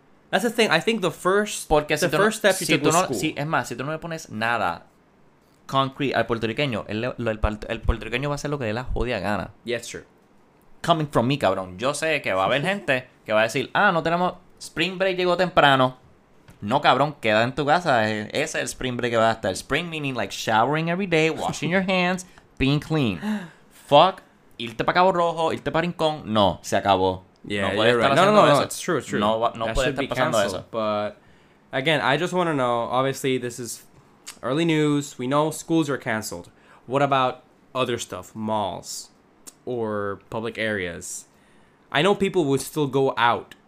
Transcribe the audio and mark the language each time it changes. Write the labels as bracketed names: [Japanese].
[English] That's the thing. I think the first step you took was school. [Spanish] Es más, si tú no le pones nada... [English] concrete [Spanish] al puertorriqueño, el puertorriqueño va a hacer lo que dé la jodida gana. [English] Yes, true. coming from me, cabrón. [Spanish] Yo sé que va a haber gente que va a decir, ah, no tenemos... Spring break llegó temprano. No, cabrón, queda en tu casa. Ese es el spring break que va a estar. [English] Spring meaning like showering every day, washing your hands, being clean. [Spanish] Fuck, irte para Cabo Rojo, irte para Rincón. No, se acabó. [English] Yeah, [Spanish] no puede estar haciendo eso. No, [English] it's true, it's true. [Spanish] No puede estar pasando eso. [English] But, again, I just want to know, obviously, this is early news. We know schools are canceled. What about other stuff? Malls or public areas? I know people would still go out.